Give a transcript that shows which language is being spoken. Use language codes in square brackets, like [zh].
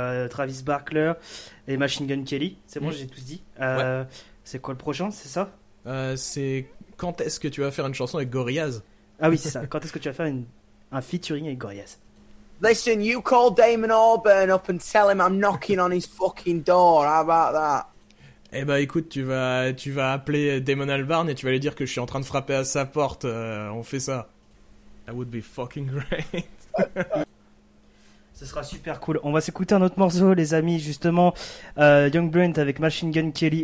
[fr] Travis Barker et Machine Gun Kelly, c'est bon, j'ai tout dit. Ouais. C'est quoi le prochain, c'est ça? C'est quand est-ce que tu vas faire une chanson avec Gorillaz? Ah oui, c'est ça. Quand est-ce que tu vas faire un featuring avec Gorillaz? [en] Listen, you call Damon Albarn up and tell him I'm knocking on his fucking door. How about that? [fr] Eh ben écoute, tu vas appeler Damon Albarn et tu vas lui dire que je suis en train de frapper à sa porte. On fait ça. [en] That would be fucking great. [fr] Ce sera super cool. On va s'écouter un autre morceau, les amis, justement. Young Brent avec Machine Gun Kelly.